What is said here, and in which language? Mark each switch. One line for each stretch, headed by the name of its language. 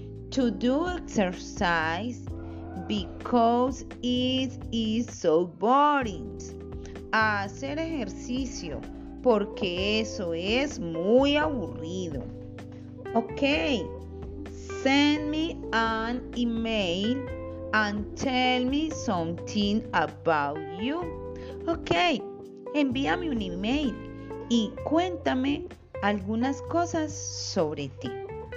English: To do exercise because it is so boring.
Spanish: a hacer ejercicio, porque eso es muy aburrido.
English: Ok, send me an email and tell me something about you.
Spanish: Ok, envíame un email y cuéntame algunas cosas sobre ti.